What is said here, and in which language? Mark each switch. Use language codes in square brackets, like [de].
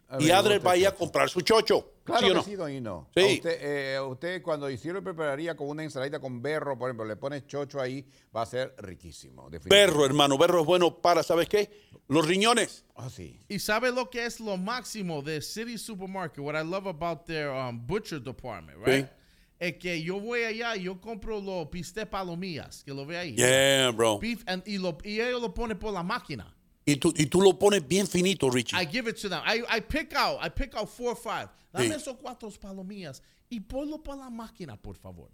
[es] Y Adre va a ir a comprar su chocho. Claro, ¿sí que no? Sí, Doino. Sí. Usted cuando hiciera prepararía con una ensaladita con berro, por ejemplo, le pones chocho ahí, va a ser riquísimo. Berro, hermano, berro es bueno para, ¿sabes qué? Los riñones. Ah, sí. ¿Y sabe lo que es lo máximo de City Supermarket? [en] What I love about their butcher department, right? [es] Sí. Es que yo voy allá y yo compro los bistec palomillas, que lo ve ahí. [en] Yeah, bro. [es] Beef y ellos lo ponen por la máquina. Y tú lo pones bien finito, Richie. [en] I give it to them. I pick out 4 or 5. [es] Dame sí. Esos 4 palomillas y ponlo para la máquina, por favor.